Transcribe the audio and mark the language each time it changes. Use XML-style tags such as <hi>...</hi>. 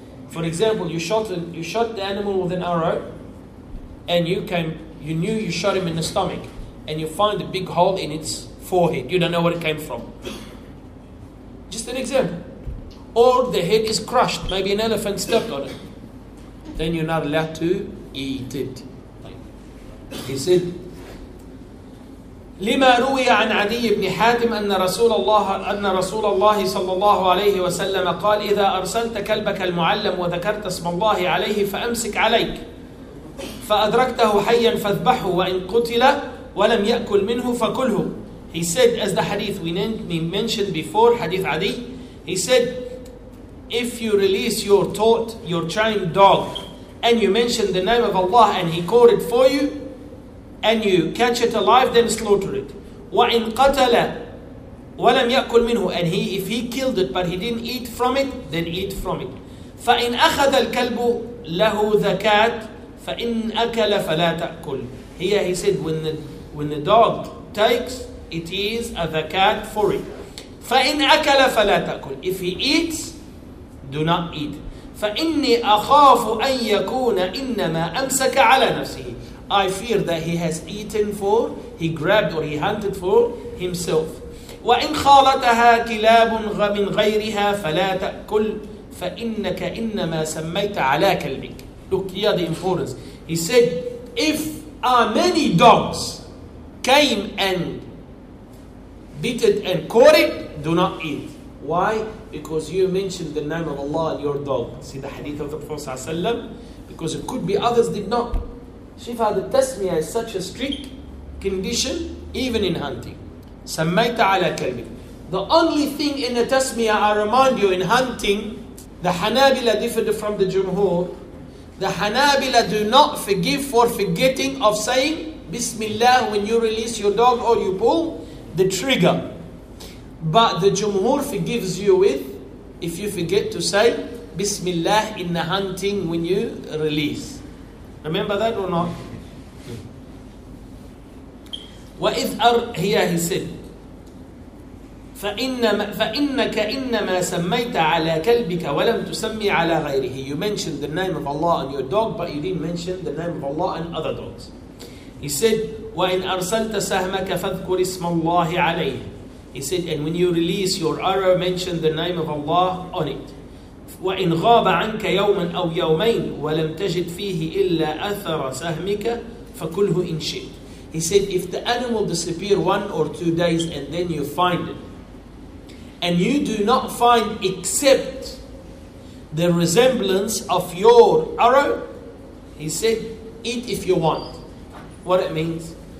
<en>For example, you shot the animal with an arrow and you knew you shot him in the stomach and you find a big hole in its forehead. You don't know where it came from. Just an example. Or the head is crushed. Maybe an elephant stepped on it. Then you're not allowed to eat it. He said,</en> <ar>لما روي عن عدي بن حاتم أن رسول الله صلى الله عليه وسلم قال إذا أرسلت كلبك المعلم وذكرت اسم الله عليه فأمسك عليك فأدركته حيا فاذبحه وإن قتل ولم يأكل منه فكله.</ar> <en>He said, as the hadith we mentioned before, hadith Adi, he said, if you release your taught, your trained dog, and you mention the name of Allah and he caught it for you, and you catch it alive, then slaughter it.</en> <ar>وَإِنْ قَتَلَ وَلَمْ يَأْكُلْ مِنْهُ,</ar> <en>and if he killed it, but he didn't eat from it, then eat from it.</en> <ar>فَإِنْ أَخَذَ الْكَلْبُ لَهُ ذَكَاتٍ فإن أكل فلا تأكل.</ar> <en>Here he said, when the dog takes, it is a zakat for it.</en> <ar>فإن أكل فلا تأكل.</ar> <en>If he eats, do not eat.</en> <ar>فإني أخاف أن يكون إنما أمسك على نفسه.</ar> <en>I fear that he has eaten for, he grabbed or he hunted for himself.</en> <ar>وإن خالتها كلاب من غيرها فلا تأكل. فإنك إنما سميت على كلبك.</ar> <en>Look here the importance. He said, if many dogs came and beat it and caught it, do not eat. Why? Because you mentioned the name of Allah in your dog. See the hadith of the Prophet ﷺ. Because it could be others did not. Shifa, the tasmiya is such a strict condition, even in hunting.</en> <ar>سَمَّيْتَ عَلَى كَلْبِكَ.</ar> <en>The only thing in the tasmiya, I remind you, in hunting, the Hanabila differed from the Jumhur. The Hanabila do not forgive for forgetting of saying Bismillah when you release your dog or you pull the trigger. But the Jumhur forgives you with, if you forget to say Bismillah in the hunting when you release. Remember that or not?</en> <ar>وَإِذْ أَرْهِيَا.</ar> <en>He said,</en> <ar>فَإِنَّكَ إِنَّمَا سَمَّيْتَ عَلَىٰ كَلْبِكَ وَلَمْ تُسَمِّي عَلَىٰ غَيْرِهِ.</ar> <en>You mentioned the name of Allah on your dog, but you didn't mention the name of Allah on other dogs. He said,</en> <ar>وَإِنْ أَرْسَلْتَ سَهْمَكَ فَذْكُرِ اسْمَ اللَّهِ عَلَيْهِ.</ar> <en>He said, and when you release your arrow, mention the name of Allah on it.</en> <ar>وَإِنْ غَابَ عَنْكَ يَوْمًا أَوْ يَوْمَيْنِ وَلَمْ تَجِدْ فِيهِ إِلَّا أَثَرَ سَهْمِكَ فَكُلْهُ إِنْ شِئْتَ.</ar> <en>He said, if the animal disappear 1 or 2 days and then you find it, and you do not find except the resemblance of your arrow, he said, eat if you want. What it means?</en>